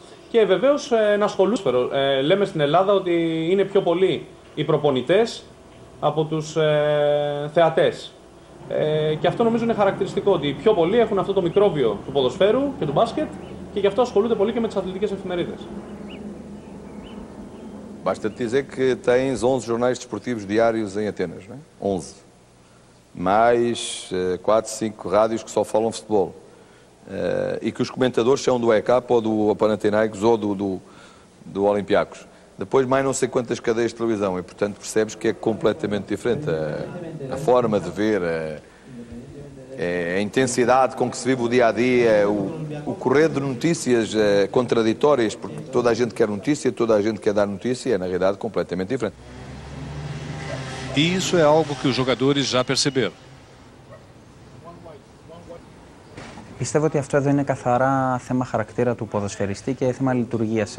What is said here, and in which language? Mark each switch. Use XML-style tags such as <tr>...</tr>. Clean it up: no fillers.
<el>Και βεβαίως ένα σχολούσφαιρο. Λέμε στην Ελλάδα ότι είναι πιο πολύ οι προπονητές από τους θεατές. Και αυτό νομίζω είναι χαρακτηριστικό, ότι οι πιο πολλοί έχουν αυτό το μικρόβιο του ποδοσφαίρου και του μπάσκετ και γι' αυτό ασχολούνται πολύ και με τις αθλητικές εφημερίδες.</el> <pt>Basta te dizer que tens 11 jornais desportivos diários em Atenas, não é? 11. Mais 4, 5 rádios que só falam futebol. E que os comentadores são do EK ou do Panathinaikos ou do Olympiacos. Depois mais não sei quantas cadeias de televisão. E portanto percebes que é completamente diferente a forma de ver, a intensidade com que se vive o dia-a-dia, o correr de notícias contraditórias, porque toda a gente quer notícia, toda a gente quer dar notícia, é na realidade completamente diferente. E isso é algo que os jogadores já perceberam.</pt> <el>Πιστεύω ότι αυτό εδώ είναι καθαρά θέμα χαρακτήρα του ποδοσφαιριστή και θέμα λειτουργίας.</el>